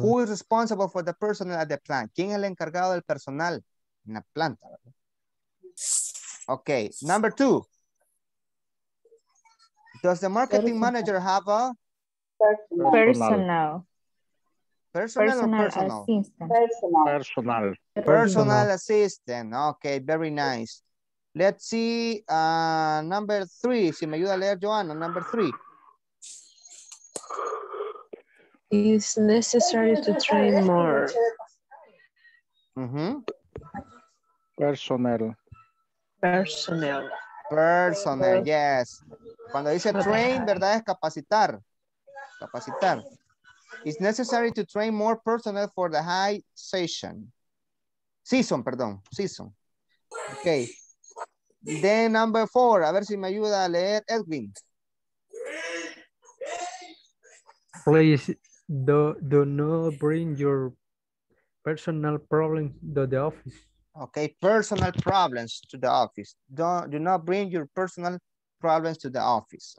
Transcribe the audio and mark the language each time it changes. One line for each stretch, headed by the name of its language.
English: Who is responsible for the personal at the plant?
Spanish: ¿Quién es el encargado del personal en la planta?
English: Okay, number two. Does the marketing manager have a personal? Personal or personal? Personal. Personal assistant. Okay, very nice. Let's see number three.
Spanish: Si me ayuda a leer, Joanna,
English: number three. It's necessary to train more. Mm-hmm. Personal. Personal. Personal, yes.
Spanish: Cuando dice train, ¿verdad? Es capacitar. Capacitar.
English: It's necessary to train more personnel for the high season. Season,
Spanish: perdón.
English: Season. Okay. Then number four.
Spanish: A ver si me ayuda a leer Edwin.
English: Please do not bring your personal problems to the office. Okay, personal problems to the office. Do not bring your personal problems to the office.